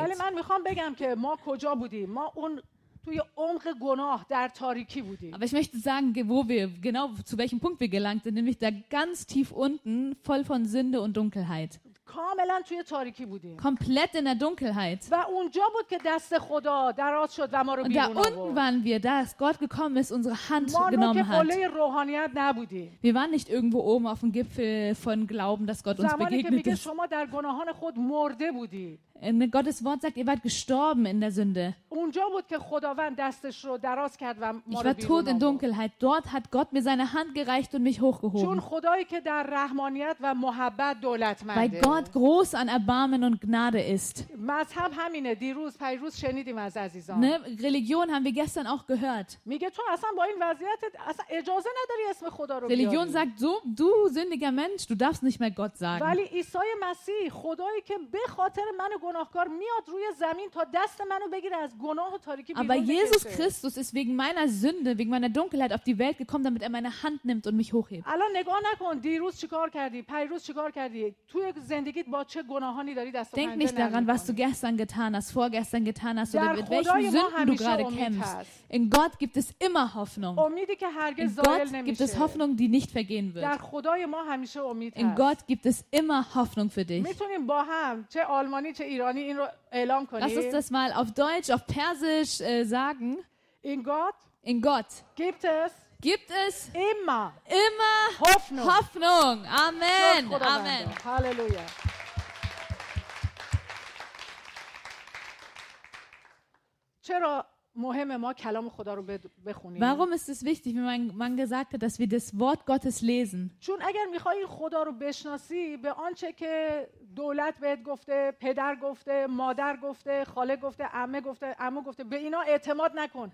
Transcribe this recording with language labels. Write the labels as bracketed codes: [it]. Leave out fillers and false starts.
[de] Weil man möchte sagen, dass wir wo waren, [fa] توی عمق گناه در تاریکی بودیم. [de] Aber ich möchte sagen, wo wir genau zu welchem Punkt wir gelangt sind, nämlich da ganz tief unten, voll von Sünde und Dunkelheit. [fa] کاملا توی تاریکی بودیم. [de] Komplett in der Dunkelheit. [fa] و اونجا بود که دست خدا دراز شد و ما رو بیرون آورد. [de] Und da unten waren wir, da ist Gott gekommen ist, unsere Hand genommen hat. [fa] ما که قله روحانیت نبودیم. [de] Wir waren nicht irgendwo oben auf dem Gipfel von Glauben, dass Gott uns begegnet ist. [fa] شما در گناهان خود مرده بودید. [de] In Gottes Wort sagt, ihr wart gestorben in der Sünde. [fa] اونجا بود که خداوند دستش رو دراز کرد و ما رو بیرون آورد. [de] Ich war tot in Dunkelheit. Dort hat Gott mir seine Hand gereicht und mich hochgehoben. [fa] چون خدایی که در رحمانیت و محبت دولتمنده. [de] Weil Gott groß an Erbarmen und Gnade ist. [fa] مذهب همینه. دیروز پیروز شنیدیم از عزیزان. [de] Ne? Religion haben wir gestern auch gehört. [fa] میگه تو اصلا با این وضعیت اصلا اجازه نداری اسم خدا رو بیاری. [de] Religion sagt so, du sündiger Mensch, du darfst nicht mehr Gott sagen. [fa] ولی عیسی مسیح خدایی که به خاطر من گناهکار میاد روی زمین تا دست منو بگیره از گناه و تاریکی بیرون بکشه. [de] Aber Jesus Christus ist wegen meiner Sünde, wegen meiner Dunkelheit auf die Welt gekommen, damit er meine Hand nimmt und mich hochhebt. [fa] الان نگاه نکن دیروز چیکار کردی؟ پیروز چیکار کردی؟ توی زندگیت با چه گناهانی داری دست و پنجه نمی‌کنی؟ [de] Denk nicht daran, was du gestern getan hast, vorgestern getan hast oder mit welchen Sünden du gerade kämpfst. In Gott gibt es immer Hoffnung. [fa] امیدی که هرگز زایل نمی‌شه. [de] In Gott gibt es Hoffnung, die nicht vergehen wird. [fa] در خدای ما همیشه امید هست. [de] In Gott gibt es immer Hoffnung für dich. [fa] می‌تونیم با هم چه آلمانی چه ایرانی این رو اعلام کنیم. [de] Lass uns das mal auf Deutsch, auf Persisch sagen. In Gott gibt es immer Hoffnung. Amen. Amen. Halleluja. [fa] چرا مهمه ما کلام خدا رو بخونیم؟ [de] Warum ist es wichtig, wie man gesagt hat, dass wir das Wort Gottes lesen? [fa] چون اگر می‌خوای خدا رو بشناسی به آنچه که دولت بهت گفته، پدر گفته، مادر گفته، خاله گفته، عمه گفته، عمو گفته، به اینا اعتماد نکن.